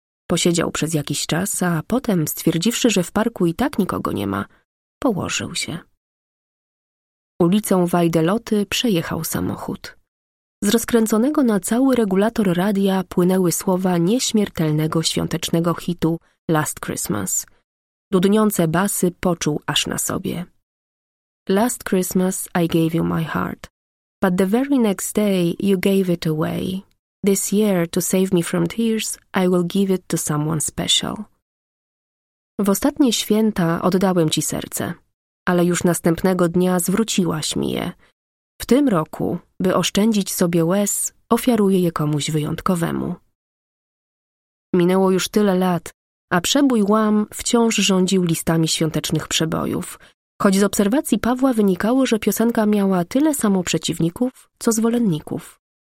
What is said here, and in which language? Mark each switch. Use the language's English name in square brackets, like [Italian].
[Polish] Posiedział przez jakiś czas, a potem, stwierdziwszy, że w parku i tak nikogo nie ma, położył się. Ulicą Wajdeloty przejechał samochód. Z rozkręconego na cały regulator radia płynęły słowa nieśmiertelnego świątecznego hitu Last Christmas. Dudniące basy poczuł aż na sobie. [English] Last Christmas I gave you my heart, but the very next day you gave it away. This year, to save me from tears, I will give it to someone special. [Polish] W ostatnie święta oddałem ci serce, ale już następnego dnia zwróciłaś mi je. W tym roku, by oszczędzić sobie łez, ofiaruję je komuś wyjątkowemu. Minęło już tyle lat, a przebój Łam wciąż rządził listami świątecznych przebojów, choć z obserwacji Pawła wynikało, że piosenka miała tyle samo przeciwników, co zwolenników.